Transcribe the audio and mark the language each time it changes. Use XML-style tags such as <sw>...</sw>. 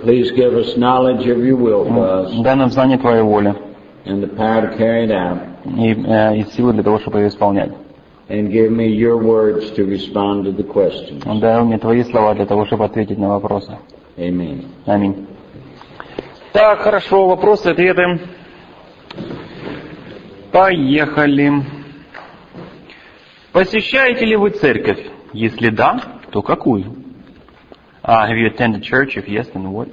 <en>please give us knowledge of your will for us.</en> <ru>Дай нам знание твоей воли.</ru> <en>And the power to carry it out.</en> <ru>И силы для того, чтобы ее исполнять.</ru> <en>And give me your words to respond to the questions.</en> <ru>Дай мне твои слова для того, чтобы ответить на вопросы.</ru> <en>Amen.</en> <ru>Аминь. Так, хорошо, вопросы, ответы. Поехали. Посещаете ли вы церковь? Если да, то какую?</ru> <en>Have you attended church? If yes, then what?</en>